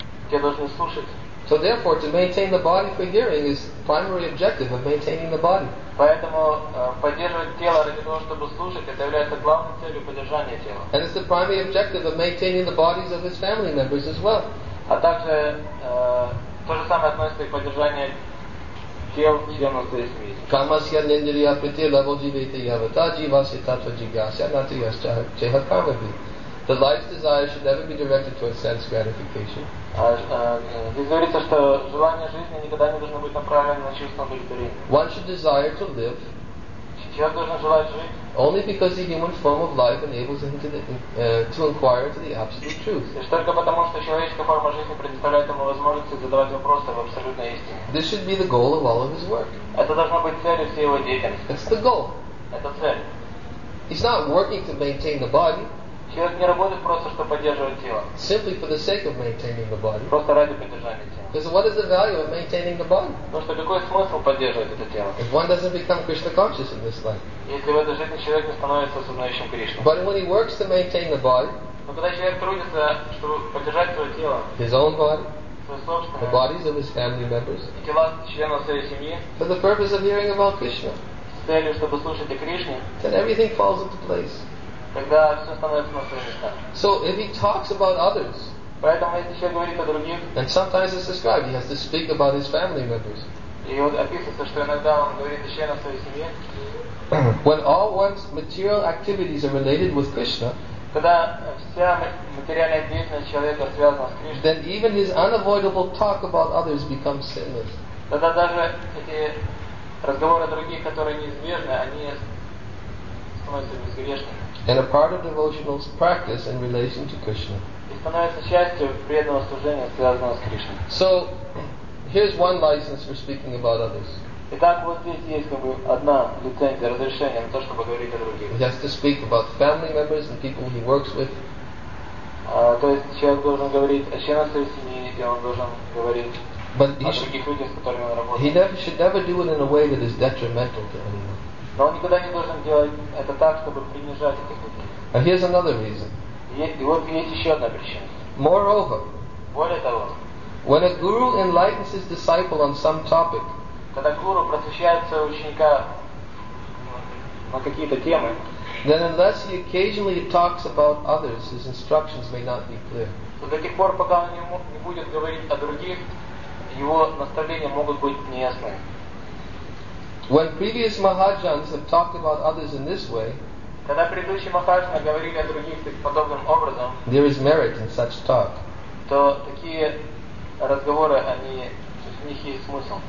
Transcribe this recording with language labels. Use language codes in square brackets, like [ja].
[en] So therefore, to maintain the body for hearing is the primary objective of maintaining the body. [ru] Поэтому поддерживать тело ради того, чтобы слушать, это является главной целью поддержания тела. [en] And it's the primary objective of maintaining the bodies of his family members as well. [ru] А также то же самое относится и к поддержанию тел членов своей семьи. [sa] Камасья ниндрия прити лаводживейте явата дживаси татва джигасья натрия чеха камаби. [en] The life's desire should never be directed towards sense gratification. [ru] Здесь говорится, что желание жизни никогда не должно быть направлено на чувство удовлетворения. [en] One should desire to live. [ru] Человек должен желать жить. [en] Only because the human form of life enables him to inquire into the absolute truth. [ru] Лишь только потому, что человеческая форма жизни предоставляет ему возможность задавать вопросы в абсолютной истине. [en] This should be the goal of all of his work. [ru] Это должна быть целью всей его деятельности. [en] It's the goal. [ru] Это цель. [en] He's not working to maintain the body. [ru] Человек не работает просто, чтобы поддерживать тело. [en] Simply for the sake of maintaining the body. [ru] Просто ради поддержания тела. [en] Because what is the value of maintaining the body? [ru] Потому что какой смысл поддерживать это тело? [en] If one doesn't become Krishna conscious in this life. [ru] Если в этой жизни человек не становится осознающим Кришну. [en] But when he works to maintain the body. [ru] Но когда человек трудится, чтобы поддержать свое тело. [en] His own body. [ru] Собственное. [en] The bodies of his family members. [ru] И тела членов своей семьи. [en] For the purpose of hearing about Krishna. [ru] С целью, чтобы слушать о Кришне. [en] Then everything falls into place. [ru] Тогда все становится на свои места. [en] So if he talks about others, [ru] поэтому если человек говорит о других, [en] then sometimes it's described he has to speak about his family members. [ru] И вот описывается, что иногда он говорит о членах своей семьи. [en] When all one's material activities are related with Krishna, [ru] когда вся материальная деятельность человека связана с Кришной, [en] then even his unavoidable talk about others becomes sinless. [ru] Тогда даже эти разговоры о других, которые неизбежны, они становятся безгрешными. [en] And a part of devotional practice in relation to Krishna. [ru] И становится частью преданного служения, связанного с Кришной. [en] So, here's one license for speaking about others. [ru] Итак, вот здесь есть как бы одна лицензия, разрешение на то, чтобы говорить о других. [en] He has to speak about family members and people he works with. [ru] То есть человек должен говорить о членах своей семьи, и он должен говорить о других людях, с которыми он работает. [en] He never should never do it in a way that is detrimental to anyone. [ru] Но он никогда не должен делать это так, чтобы принижать этих людей. [en] And here's another reason. [ru] И вот есть еще одна причина. [en] Moreover, [ru] более того, [en] when a guru enlightens his disciple on some topic, [ru] когда гуру просвещает своего ученика на какие-то темы, [en] then unless he occasionally talks about others, his instructions may not be clear. [ru] То до тех пор, пока он не будет говорить о других, его наставления могут быть неясны. [en] When previous Mahajans have talked about others in this way, [ru] когда предыдущие махаджаны говорили о других подобным образом, [en] there is merit in such talk. [ru] То такие разговоры, они, в них есть смысл.